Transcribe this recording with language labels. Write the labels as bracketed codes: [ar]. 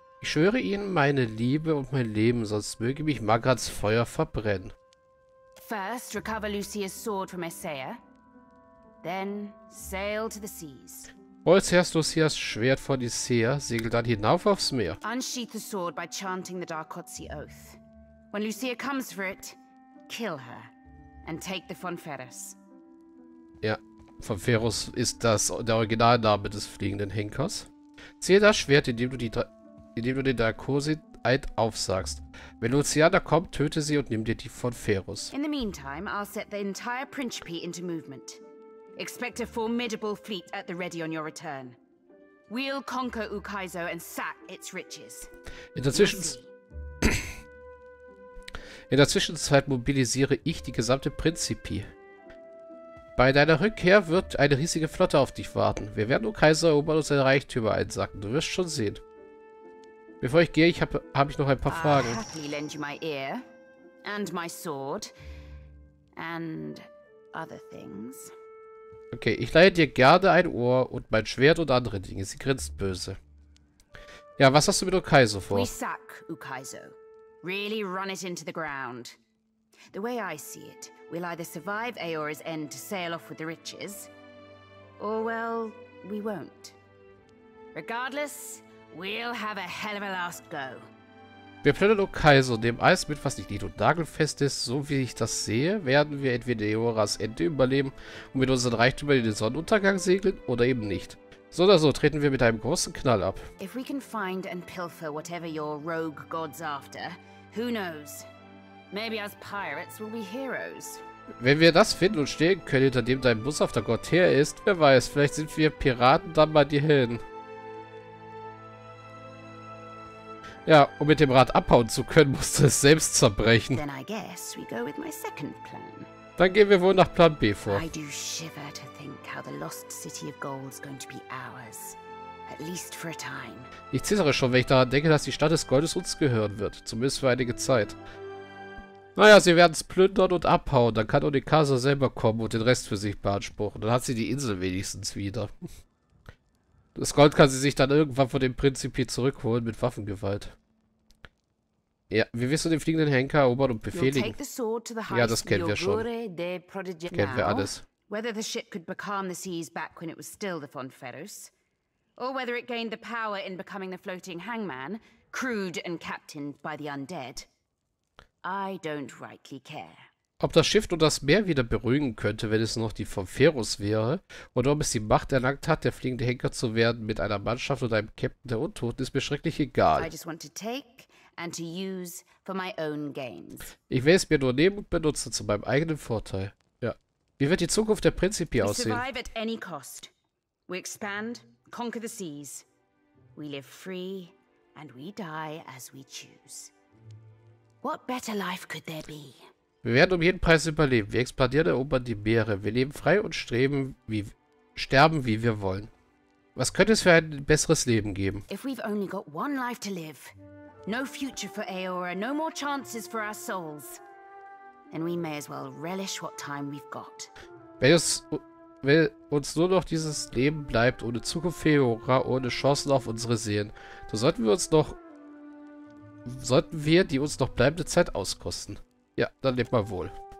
[de] Ich schwöre ihnen meine Liebe und mein Leben, sonst möge mich Magrats Feuer verbrennen. [en] First, recover Lucia's sword from Essaia. Then, sail to the seas. [de] Holst erst Lucias Schwert von Issea, segel dann hinauf aufs Meer. [en] Unsheath the sword by chanting the Darkozzi oath. When Lucia comes for it, kill her and take the Fonferus. [de] Ja, Fonferus ist das der Originalname des fliegenden Henkers. Ziehe das Schwert, indem du den Darkozzi-Eid aufsagst. Wenn Luciana kommt, töte sie und nimm dir die Fonferus. [en] In the meantime, I'll set the entire Principi into movement. Expect a formidable fleet at the ready on your return. We'll conquer Ukaizo and sack its riches. [de] In der Zwischenzeit mobilisiere ich die gesamte Principi. Bei deiner Rückkehr wird eine riesige Flotte auf dich warten. Wir werden Ukaizo erobern und seine Reichtümer einsacken. Du wirst schon sehen. Bevor ich gehe, habe ich noch ein paar Fragen. [en] I'll happily lend you my ear and my sword and other things. [de] Okay, ich leihe dir gerne ein Ohr und mein Schwert und andere Dinge. Sie grinst böse. Ja, was hast du mit Ukaizo vor? [en] We sack Ukaizo. Really run it into the ground. The way I see it, we'll either survive Aeora's end to sail off with the riches, or well, we won't. Regardless, we'll have a hell of a last go. [de] Wir plündern Ukaizo, dem Eis mit, was nicht Nied- und Nagelfest ist. So wie ich das sehe, werden wir entweder Eoras Ende überleben und mit unseren Reichtümern in den Sonnenuntergang segeln oder eben nicht. So oder so treten wir mit einem großen Knall ab. [en] If we can find and pilfer whatever your rogue gods after, who knows? Maybe as pirates we'll be heroes. [de] Wenn wir das finden und stehen können, hinter dem dein Bus auf der Gott her ist, wer weiß, vielleicht sind wir Piraten dann mal die Helden. Ja, um mit dem Rad abhauen zu können, musst du es selbst zerbrechen. [en] Then I guess we go with my second plan. [de] Dann gehen wir wohl nach Plan B vor. [en] I do shiver to think how the lost city of gold is going to be ours. At least for a time. [de] Ich zittere schon, wenn ich daran denke, dass die Stadt des Goldes uns gehören wird. Zumindest für einige Zeit. Naja, sie werden es plündern und abhauen. Dann kann Onikasa selber kommen und den Rest für sich beanspruchen. Dann hat sie die Insel wenigstens wieder. Das Gold kann sie sich dann irgendwann von dem Principi zurückholen mit Waffengewalt. Ja, wie wirst du den fliegenden Henker erobern und befehligen? Ja, das kennen wir schon. Das kennen wir alles. [en] Whether the ship could becalm the seas back when it was still the Fonferus, or whether it gained the power in becoming the floating hangman, crewed and captained by the undead, I don't rightly care. [de] Ob das Schiff nur das Meer wieder beruhigen könnte, wenn es noch die Fonferus wäre, oder ob es die Macht erlangt hat, der fliegende Henker zu werden mit einer Mannschaft oder einem Captain der Untoten, ist mir schrecklich egal. Ich will es mir nur nehmen und benutzen, zu meinem eigenen Vorteil. Ja. Wie wird die Zukunft der Principi aussehen? Wir überleben an jedem Kost. Wir expanden, [en] conquer the seas. [de] Wir leben frei und wir sterben, als wir [en] choose. What better life could there be? [de] Wir werden um jeden Preis überleben. Wir expandieren, erobern die Meere. Wir leben frei und streben, wie sterben, wie wir wollen. Was könnte es für ein besseres Leben geben? [en] If we've only got one life to live, no future for Aeora, no more chances for our souls, then we may as well relish what time we've got. [de] Wenn uns nur noch dieses Leben bleibt, ohne Zukunft für Aeora, ohne Chancen auf unsere Seelen, dann sollten wir die uns noch bleibende Zeit auskosten. Ja, dann lebt mal wohl.